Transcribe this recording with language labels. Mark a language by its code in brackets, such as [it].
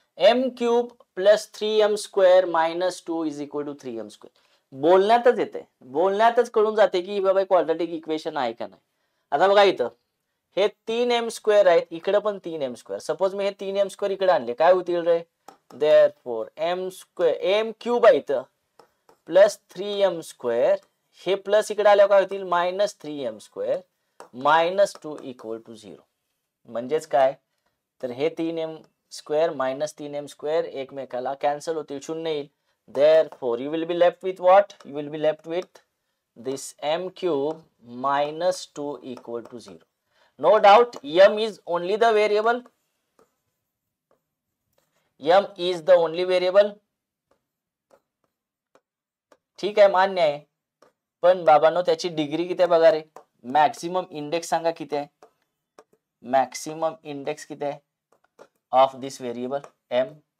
[en] M cube plus three m square minus two is equal to three m square. [mr] बोलण्यातच येते, बोलण्यातच कळून जाते की बाबा क्वाड्रॅटिक इक्वेशन आहे का नाही. आता बघा इथं हे तीन एम स्क्वेअर आहेत, इकडे पण तीन एम स्क्वेअर. सपोज मी हे तीन एम स्क्वेअर इकडे आणले काय होतील रे? There four M square M cube आहे इथं प्लस थ्री एम स्क्वेअर. हे प्लस इकडे आल्यावर काय होतील? Minus three M square minus two equal to zero. म्हणजेच काय? तर हे तीन एम स्क्वेअर मायनस तीन एम स्क्वेअर एकमेकाला कॅन्सल होतील, शून्य येईल. [en] Therefore you will be left with what? You will be left with this m cube minus two equal to zero. No doubt m is only the variable. M is the only variable. [mr] ठीक आहे, मान्य आहे, पण बाबांनो त्याची degree किती आहे बघा रे? मॅक्सिमम इंडेक्स सांगा किती आहे? मॅक्सिमम इंडेक्स किती आहे [en] Of this variable m?